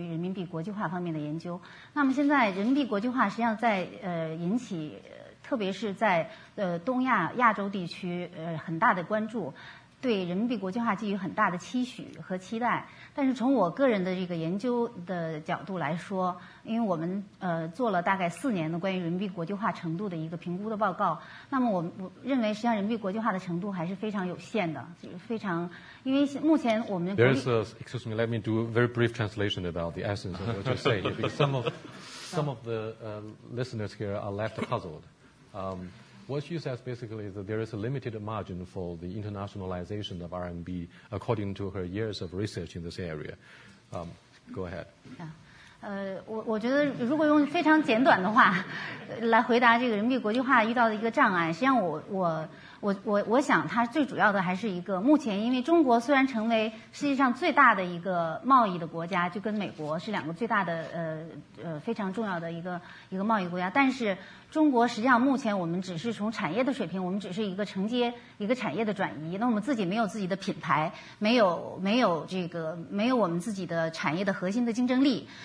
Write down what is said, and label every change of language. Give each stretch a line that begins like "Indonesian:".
Chinese: 这个确实是一个比较专业的一个话题，因为我的英文水平可能不足以来应付这样的问题。就是你实际上谈到两个比较相关也很重要的一个命题，一个就是人民币的国际化，另外一个就是关于贸易的这个发展这个两个命题。那么这两个命题呢，实际上人民币国际化是我非常熟悉的一个领域，最近这些年我一直在做一些关于人民币国际化方面的研究。那么现在人民币国际化实际上在引起，特别是在东亚亚洲地区很大的关注，对人民币国际化寄予很大的期许和期待。但是从我个人的这个研究的角度来说，因为我们做了大概4年的关于人民币国际化程度的一个评估的报告，那么我认为实际上人民币国际化的程度还是非常有限的，就是非常，因为目前我们
English: 国力 excuse me, let me do a very brief translation about the essence of what you say, because some of the listeners here are left puzzled. What you said basically is that there is a limited margin for the internationalization of RMB according to her years of research in this area. Go ahead. Yeah.
Chinese: 我觉得如果用非常简短的话来回答这个人民币国际化遇到的一个障碍，实际上我想它最主要的还是一个，目前因为中国虽然成为世界上最大的一个贸易的国家，就跟美国是两个最大的非常重要的一个贸易国家，但是中国实际上目前我们只是从产业的水平，我们只是一个承接一个产业的转移，那我们自己没有自己的品牌，没有我们自己的产业的核心的竞争力。